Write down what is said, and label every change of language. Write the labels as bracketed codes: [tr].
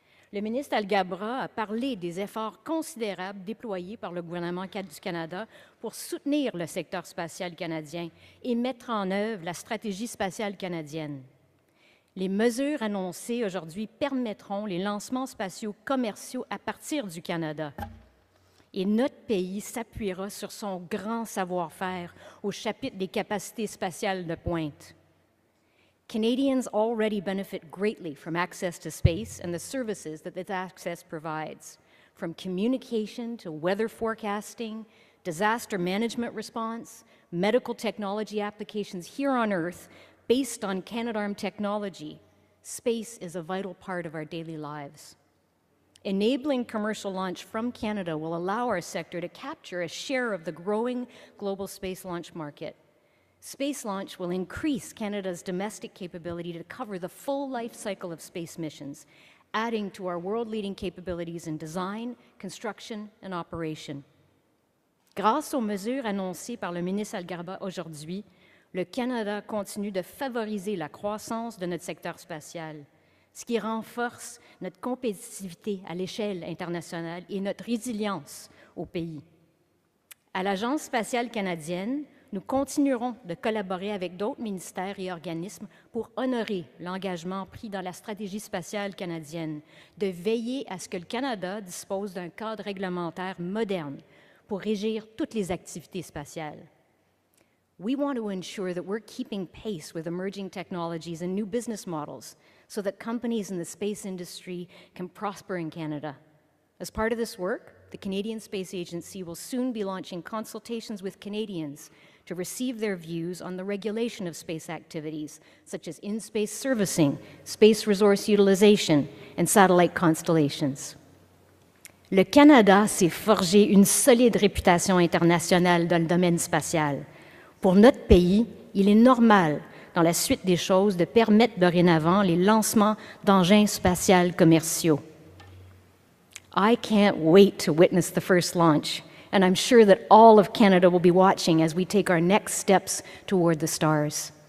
[fr] Le ministre Alghabra a parlé des efforts considérables déployés par le gouvernement du Canada pour soutenir le secteur spatial canadien et mettre en œuvre la stratégie spatiale canadienne. Les mesures annoncées aujourd'hui permettront les lancements spatiaux commerciaux à partir du Canada. Et notre pays s'appuiera sur son grand savoir-faire au chapitre des capacités spatiales de pointe. [en] Canadians already benefit greatly from access to space and the services that this access provides, from communication to weather forecasting, disaster management response, medical technology applications here on Earth, based on Canadarm technology. Space is a vital part of our daily lives. Enabling commercial launch from Canada will allow our sector to capture a share of the growing global space launch market. Space launch will increase Canada's domestic capability to cover the full life cycle of space missions, adding to our world-leading capabilities in design, construction, and operation. [fr] Grâce aux mesures annoncées par le ministre Alghabra aujourd'hui, le Canada continue de favoriser la croissance de notre secteur spatial, ce qui renforce notre compétitivité à l'échelle internationale et notre résilience au pays. À l'Agence spatiale canadienne, nous continuerons de collaborer avec d'autres ministères et organismes pour honorer l'engagement pris dans la stratégie spatiale canadienne, de veiller à ce que le Canada dispose d'un cadre réglementaire moderne pour régir toutes les activités spatiales. [en] We want to ensure that we're keeping pace with emerging technologies and new business models so that companies in the space industry can prosper in Canada. As part of this work, the Canadian Space Agency will soon be launching consultations with Canadians to receive their views on the regulation of space activities, such as in-space servicing, space resource utilization, and satellite constellations. [fr] Le Canada s'est forgé une solide réputation internationale dans le domaine spatial. Pour notre pays, il est normal, dans la suite des choses, de permettre dorénavant les lancements d'engins spatiaux commerciaux. [en] I can't wait to witness the first launch, and I'm sure that all of Canada will be watching as we take our next steps toward the stars.